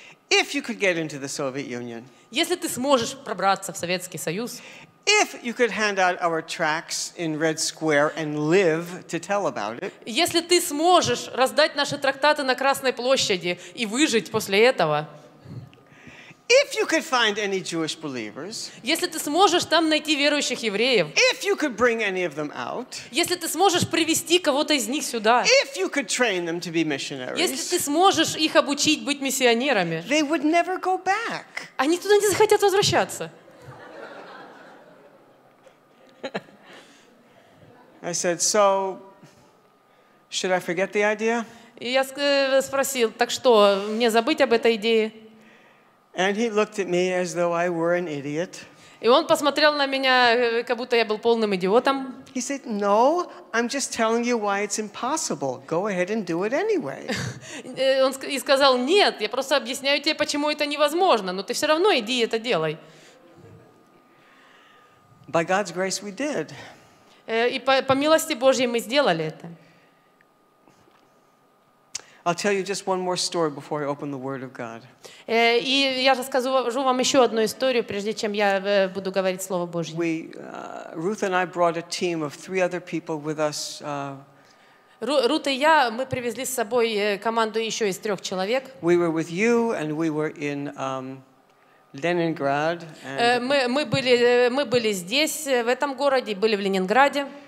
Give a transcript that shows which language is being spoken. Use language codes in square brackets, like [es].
[en] If you could get into the Soviet Union. [ru] Если ты сможешь пробраться в Советский Союз. [en] If you could hand out our tracts in Red Square and live to tell about it. [ru] Если ты сможешь раздать наши трактаты на Красной площади и выжить после этого. [en] If you could find any Jewish believers. [ru] Если ты сможешь там найти верующих евреев. [en] If you could bring any of them out. [ru] Если ты сможешь привести кого-то из них сюда. [en] If you could train them to be missionaries. [ru] Если ты сможешь их обучить быть миссионерами. [en] They would never go back. [ru] Они туда не захотят возвращаться. [en] I said, so, should I forget the idea? [ru] И я спросил, так что, мне забыть об этой идее? [en] And he looked at me as though I were an idiot. [ru] И он посмотрел на меня, как будто я был полным идиотом. [en] He said, no, I'm just telling you why it's impossible. Go ahead and do it anyway. [ru] Он и сказал, нет, я просто объясняю тебе, почему это невозможно, но ты все равно иди это делай. [en] By God's grace, we did. [ru] И по милости Божьей мы сделали это. [en] I'll tell you just one more story before I open the Word of God. [ru] И я расскажу вам еще одну историю, прежде чем я буду говорить Слово Божье. [en] We, Ruth and I brought a team of three other people with us. [ru] Рут и я, мы привезли с собой команду еще из трех человек. [en] We were with you and we were in Leningrad. [ru] Мы были здесь, в этом городе, были в Ленинграде.